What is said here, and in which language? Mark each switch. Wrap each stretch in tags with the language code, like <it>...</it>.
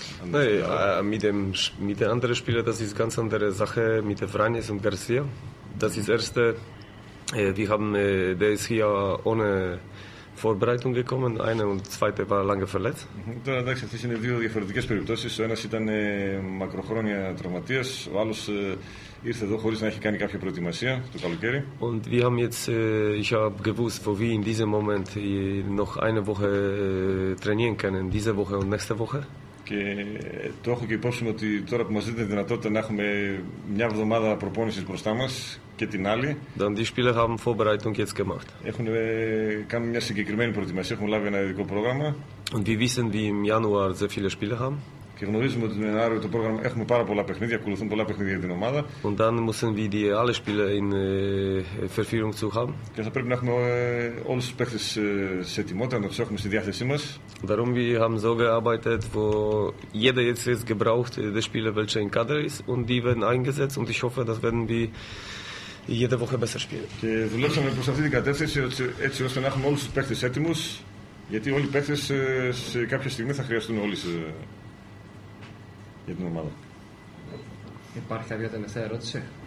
<de>Nein, mit den anderen Spielern, das ist eine ganz andere Sache, mit Vranjes und Garcia. Das ist das Erste, wir haben, der ist hier ohne Vorbereitung gekommen, eine und zweite war lange verletzt.</de> <el>Τώρα εντάξει, αυτές είναι δύο διαφορετικές περιπτώσεις. Ο ένας ήταν μακροχρόνια τραυματίας, ο άλλος ήρθε εδώ χωρίς να έχει κάνει κάποια προετοιμασία το καλοκαίρι.</el> <de>Und wir haben jetzt, ich habe gewusst, wo wir in diesem Moment noch eine Woche trainieren können, diese Woche und nächste Woche.</de> <el>Και το έχω και υπόψη μου ότι τώρα που μας δίνεται δυνατότητα να έχουμε μια εβδομάδα προπόνησης μπροστά μας και την άλλη.</el> <de>Dann die Spieler haben Vorbereitung jetzt gemacht.</de> <el>Έχουν κάνει μια συγκεκριμένη προετοιμασία, έχουν λάβει ένα ειδικό πρόγραμμα.</el> <de>Und wir wissen, wie im Januar sehr viele Spieler haben.</de> <el>Και γνωρίζουμε ότι τον Ιανουάριο το πρόγραμμα έχουμε πάρα πολλά παιχνίδια, ακολουθούν πολλά παιχνίδια για την ομάδα.</el> <de>Und dann müssen wir die alle Spieler in Verfügung zu haben.</de> <el>Και θα πρέπει να έχουμε όλους τους παίχτες σε ετοιμότητα, να τους έχουμε στη διάθεσή μας.</el> <de>Darum wir haben so gearbeitet, wo jeder jetzt ist gebraucht, der Spieler, welcher in Kader ist, und die werden eingesetzt, und ich hoffe, dass werden wir jede Woche besser spielen.</de> <el>Και δουλέψαμε προς αυτή την κατεύθυνση, έτσι ώστε να έχουμε όλους τους παίχτες έτοιμους, γιατί όλοι οι παίχτες σε κάποια στιγμή θα χρειαστούν όλοι. Για την ομάδα. Υπάρχει κάποια τελευταία ερώτηση.</el>